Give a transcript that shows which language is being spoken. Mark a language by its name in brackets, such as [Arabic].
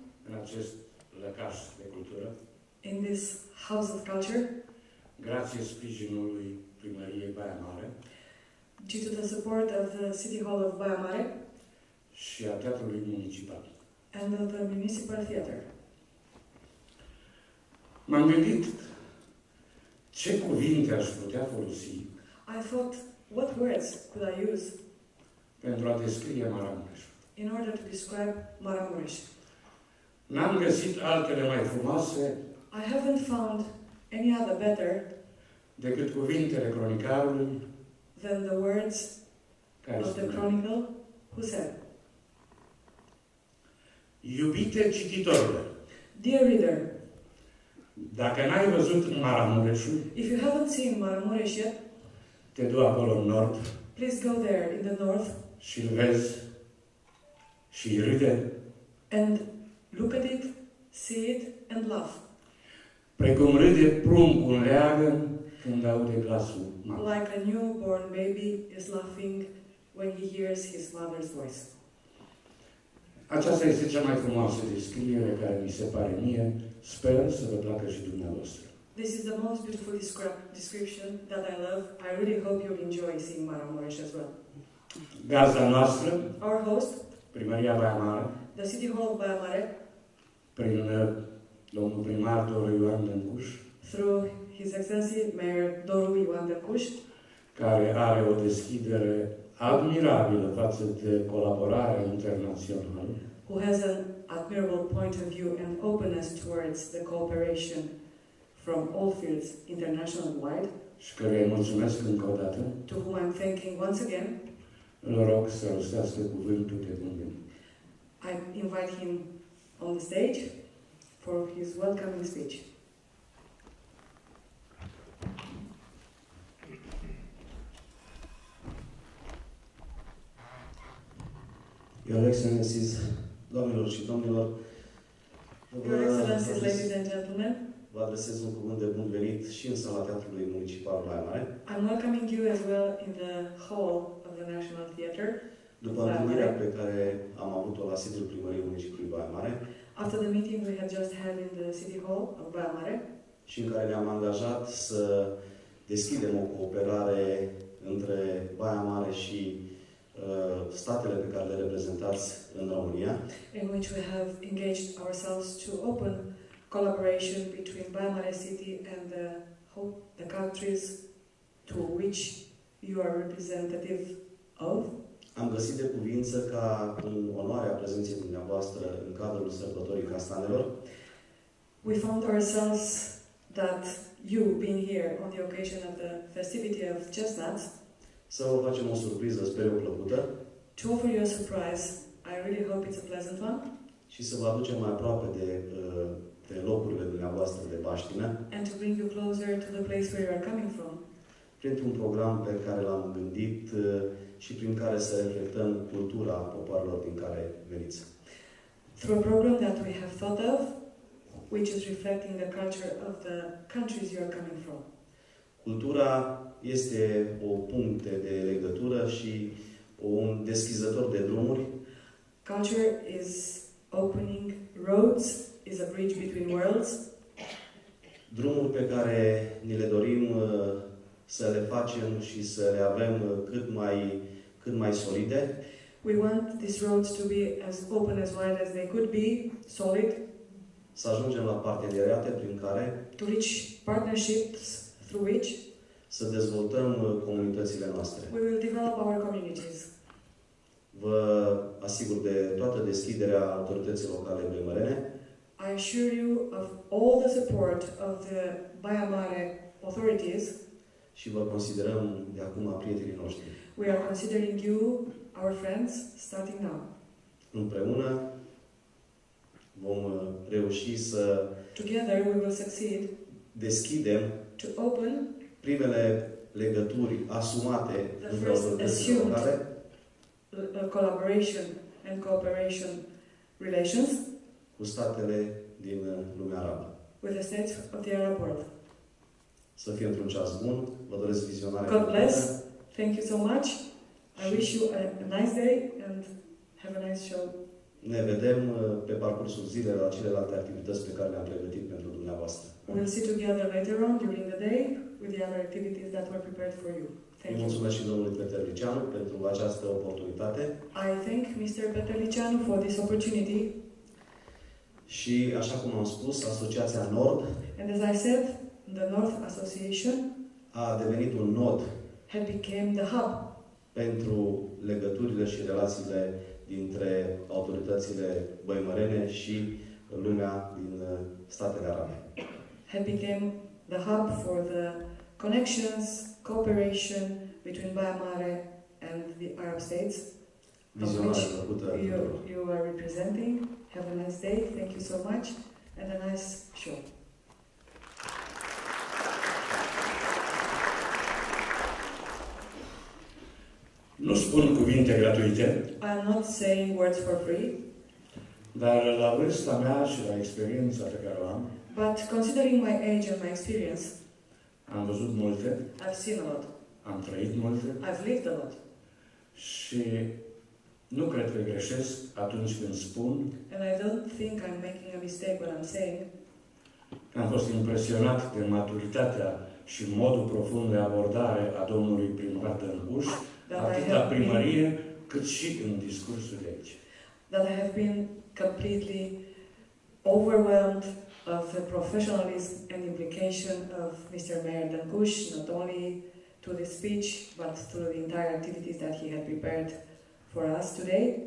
[Romanian] în acest lăcaș de cultură, [English] in this House of Culture, [Romanian] grație sprijinului primăriei Baia Mare, [English] due to the support of the City Hall of Baia Mare, [Romanian] și a Teatrului Municipal, [English] and of the Municipal Theater. [Romanian] M-am gândit, ce cuvinte aș putea folosi? [English] I thought, what words could I use? [Romanian] Pentru a descrie Maramureș. [English] In order to describe Maramureș. [Romanian] N-am găsit altele mai frumoase. [English] I haven't found any other better. [Romanian] Decât cuvintele cronicarului. [English] Than the words of the chronicle who said. [Romanian] Iubite cititorule. [English] Dear reader. [Romanian] Dacă n-ai văzut Maramureșul, [English] if you haven't seen Maramureș yet, [Romanian] te du acolo în nord. [English] Please go there in the north. [Romanian] Și-l vezi. Și râde. [English] And look at it, see it and laugh. [Romanian] Precum râde pruncul leagăn când aude glasul mamei. [English] Like a newborn baby is laughing when he hears his mother's voice. [Romanian] Aceasta este cea mai frumoasă descriere care mi se pare mie. Sper să vă placă și dumneavoastră. [English] This is the most beautiful description that I love. I really hope you'll enjoy seeing Maramureș as well. [Romanian] Gazda noastră, [English] our host, [Romanian] Primăria Baia Mare, [English] the City Hall of Baia Mare, [Romanian] prin domnul primar Doru Ioan Dăncuș, [English] through His Excellency Mayor Doru Ioan Dăncuș, [Romanian] care are o deschidere admirabilă față de colaborare internațională, [English] who has an admirable point of view and openness towards the cooperation from all fields, international and wide, [Romanian] și care îi mulțumesc încă o dată, [English] to whom I'm thanking once again, [Romanian] îl rog să rostească cuvântul de bunbun. [English] I invite him on the stage for his welcoming speech. Your Excellencies, [Romanian] doamnelor și domnilor, [English] Your Excellencies, ladies and gentlemen, [Romanian] vă adresez un cuvânt de bun venit și în sala Teatrului Municipal Baia Mare. [English] I'm welcoming you as well in the hall of the National Theater. [Romanian] După întâlnirea pe care am avut-o la sediul primăriei municipiului Baia Mare. [English] After the meeting we have just had in the City Hall of Baia Mare. [Romanian] Și în care ne-am angajat să deschidem o cooperare între Baia Mare și statele pe care le reprezentați în România. [English] In which we have engaged ourselves to open collaboration between Baia Mare City and the countries to which you are representative of. [Romanian] Am găsit de cuvință ca în onoarea prezenței dumneavoastră în cadrul Sărbătorii Castanelor. [English] We found ourselves that you being here on the occasion of the festivity of chestnuts. [Romanian] Să vă facem o surpriză, sper eu plăcută. [English] To offer you a surprise, I really hope it's a pleasant one. [Romanian] Și să vă aducem mai aproape de locurile dumneavoastră de baștină. [English] And to bring you closer to the place where you are coming from. [Romanian] Printr-un program pe care l-am gândit și prin care să reflectăm cultura popoarelor din care veniți. [English] Through a program that we have thought of, which is reflecting the culture of the countries you are coming from. [Romanian] Cultura este o punte de legătură și un deschizător de drumuri. [English] Culture is opening roads, is a bridge between worlds. [Romanian] Drumuri pe care ni le dorim să le facem și să le avem cât mai solide. [English] We want these roads to be as open as wide as they could be, solid. [Romanian] Să ajungem la parteneriate prin care [English] to reach partnerships through which [Romanian] să dezvoltăm comunitățile noastre. [English] We will develop our communities. [Romanian] Vă asigur de toată deschiderea autorității locale baimărene. [English] I assure you of all the support of the Baia Mare authorities. [Romanian] Și vă considerăm de acum prietenii noștri. [English] We are considering you our friends starting now. [Romanian] Împreună vom reuși să [English] together we will succeed. [Romanian] Deschidem [English] to open [Romanian] primele legături asumate între autoritățile locale, [English] collaboration and cooperation relations [Romanian] cu statele din lumea arabă. [English] With the states of the Arab world. [Romanian] Să fie într-un ceas bun. Vă doresc vizionare. [English] God bless. Thank you so much. I wish you a nice day and have a nice show. [Romanian] Ne vedem pe parcursul zilei la celelalte activități pe care le-am pregătit pentru dumneavoastră. [English] We'll see together later on during the day with the other activities that were prepared for you. [Romanian] Îi mulțumesc și domnului Petrelicianu pentru această oportunitate. [English] I thank Mr. Petrelicianu for this opportunity. [Romanian] Și așa cum am spus, Asociația Nord, [English] and as I said, the North Association, [Romanian] a devenit un nod, [English] had became the hub, [Romanian] pentru legăturile și relațiile dintre autoritățile băimărene și lumea din Statele Arabe. [English] Had became the hub for the connections, cooperation between Baia Mare and the Arab states, which you are representing. Have a nice day. Thank you so much. And a nice show. [Romanian] Nu spun cuvinte gratuite. [English] I'm not saying words for free. [Romanian] Dar la vârsta mea și la experiența pe care o am, [English] but considering my age and my experience, [Romanian] am văzut multe. [English] I've seen a lot. [Romanian] Am trăit multe. [English] I've lived a lot. [Romanian] Și nu cred că greșesc atunci când spun, [English] and I don't think I'm making a mistake when I'm saying, [Romanian] am fost impresionat de maturitatea și modul profund de abordare a domnului primar Dărâguș, atât la primărie, cât și în discursul de aici. [English] That I have been completely overwhelmed of the professionalism and implication of Mr. Mayor Dărâguș, not only to the speech, but to the entire activities that he had prepared for us today.